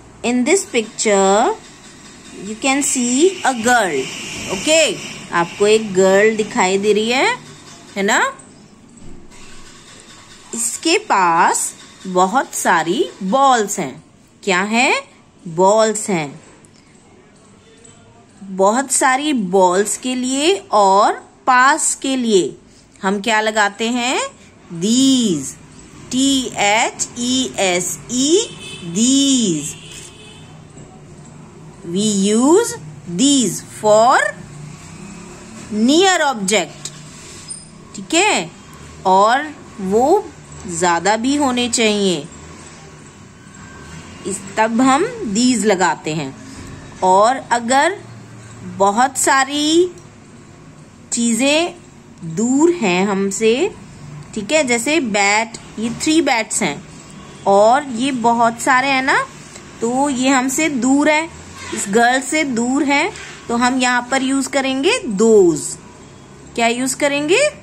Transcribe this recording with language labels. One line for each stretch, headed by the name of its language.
English: In this picture, you can see a girl.
Hindi: Okay, आपको एक girl दिखाई दे रही है ना? इसके पास बहुत सारी balls हैं। क्या है? Balls हैं। बहुत सारी balls के लिए और pass के लिए हम क्या लगाते हैं?
English: These, T-H-E-S-E, these. We use these for near object,
Hindi: ठीक है? और वो ज्यादा भी होने चाहिए, इस तब हम these लगाते हैं। और अगर बहुत सारी चीजें दूर हैं हमसे, ठीक है, जैसे bat, ये 3 bats हैं और ये बहुत सारे हैं ना, तो ये हमसे दूर है, इस गर्ल से दूर है, तो हम यहाँ पर यूज करेंगे दोज। क्या यूज करेंगे?